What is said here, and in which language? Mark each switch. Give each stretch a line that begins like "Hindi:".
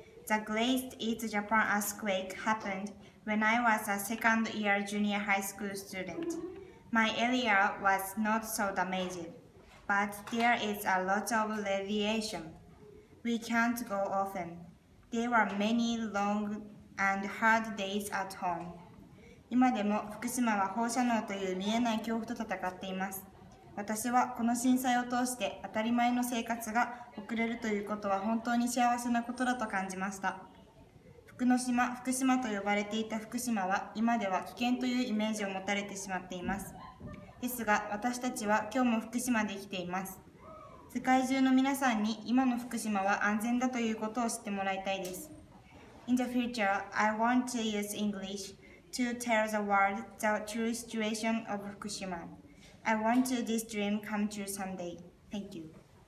English: The Great East Japan earthquake happened when I was a second year junior high school student. My area was not so damaged, but there is a lot of radiation. We can't go often. There were many long and hard days at home.
Japanese: 今でも福島は放射能という見えない恐怖と戦っています。私はこの震災を通して当たり前の生活が送れるということは本当に幸せなことだと感じました。福の島、福島と呼ばれていた福島は今では危険というイメージを持たれてしまっています。ですが私たちは今日も福島で生きています。世界中の皆さんに今の福島は安全だということを知ってもらいたいです。
English: In the future, I want to use English to tell the world the true situation of Fukushima.I want to this dream come true someday. Thank you.